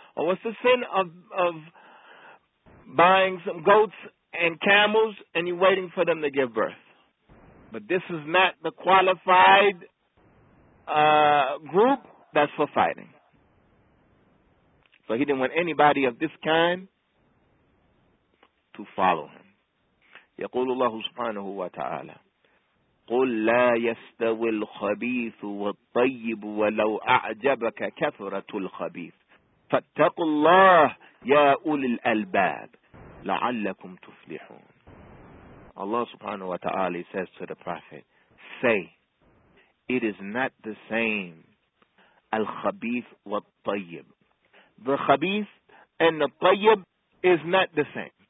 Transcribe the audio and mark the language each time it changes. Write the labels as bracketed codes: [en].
[en] Or what's the sin of buying some goats and camels and you're waiting for them to give birth? But this is not the qualified group that's for fighting. So he didn't want anybody of this kind to follow him. [ar] يقول الله سبحانه وتعالى قل لا يستوي الخبيث والطيب ولو أعجبك كثرة الخبيث فاتقوا الله يا أولي الألباب لعلكم تفلحون. [en] Allah [ar] سبحانه وتعالى [en] says to the Prophet, say, it is not the same [ar] الخبيث والطيب. [en] The خبيث and the طيب is not the same.